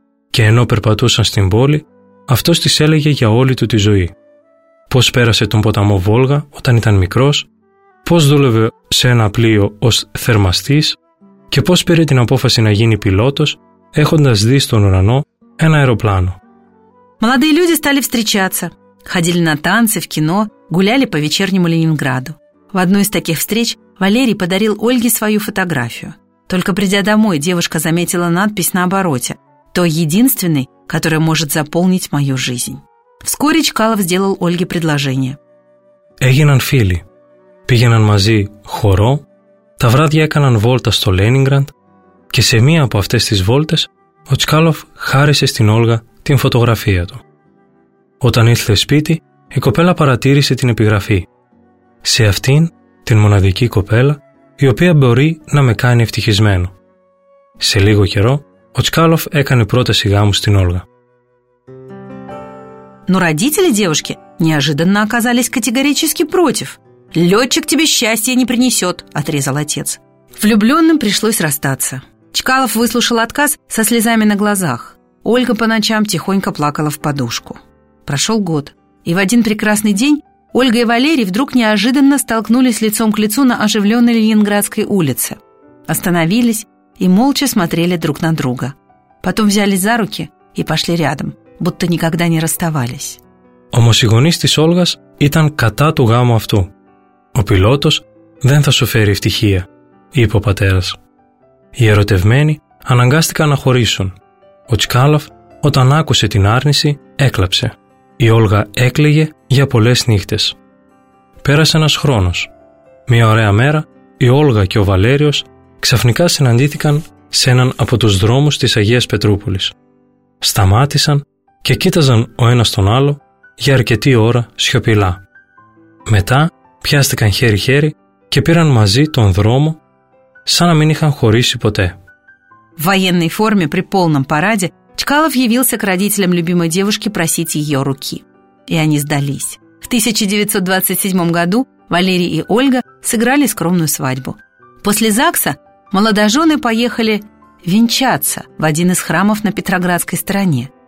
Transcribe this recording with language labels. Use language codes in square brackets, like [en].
[el] Και ενώ περπατούσαν στην πόλη, αυτός της έλεγε για όλη του τη ζωή. Πώς πέρασε τον ποταμό Βόλγα όταν ήταν μικρός, πώς δούλευε σε ένα πλοίο ως θερμαστής και πώς πήρε την απόφαση να γίνει πιλότος έχοντας δει στον ουρανό ένα αεροπλάνο. [ru] Молодые люди стали встречаться, ходили на танцы, в кино, гуляли по вечернему Ленинграду. В одной из таких встреч Валерий подарил Ольге свою фотографию. Только придя домой, девушка заметила надпись на обороте: «Той единственной, которая может заполнить мою жизнь». Вскоре Чкалов сделал Ольге предложение. [el] Έγιναν φίλοι. Πήγαιναν μαζί χορό, τα βράδια έκαναν βόλτα στο Λένιγκραντ και σε μία από αυτές τις βόλτες ο Τσκάλοφ χάρισε στην Όλγα την φωτογραφία του. Όταν ήρθε σπίτι, η κοπέλα παρατήρησε την επιγραφή. «Σε αυτήν, την μοναδική κοπέλα, η οποία μπορεί να με κάνει ευτυχισμένο». Σε λίγο καιρό, ο Τσκάλοφ έκανε πρόταση γάμου στην Όλγα. [ru] Но родители девушки неожиданно оказались категорически против. «Летчик тебе счастья не принесет», – отрезал отец. Влюбленным пришлось расстаться. Чкалов выслушал отказ со слезами на глазах. Ольга по ночам тихонько плакала в подушку. Прошел год, и в один прекрасный день Ольга и Валерий вдруг неожиданно столкнулись лицом к лицу на оживленной Ленинградской улице. Остановились и молча смотрели друг на друга. Потом взялись за руки и пошли рядом, будто никогда не расставались. [el] Омосигонист из Ольгас ήταν κατά του γάμου αυτού. Ο πιλότος δεν θα σου φέρει ευτυχία», είπε ο πατέρας. Οι ερωτευμένοι αναγκάστηκαν να χωρίσουν. Ο Τσκάλαφ, όταν άκουσε την άρνηση, έκλαψε. Η Όλγα έκλαιγε για πολλές νύχτες. Πέρασε ένας χρόνος. Μια ωραία μέρα, η Όλγα και ο Βαλέριος ξαφνικά συναντήθηκαν σε έναν από τους δρόμους της Αγίας Πετρούπολης. Σταμάτησαν και κοίταζαν ο ένας τον άλλο για αρκετή ώρα σιωπηλά. Μετά πιάστηκαν χέρι-χέρι και πήραν μαζί τον δρόμο σαν να μην είχαν χωρίσει ποτέ. [ru] В военной форме при полном параде Чкалов явился к родителям любимой девушки просить ее руки. И они сдались. В 1927 году Валерий и Ольга сыграли скромную свадьбу. После ЗАГСа молодожены поехали венчаться в один из храмов на Петроградской стороне.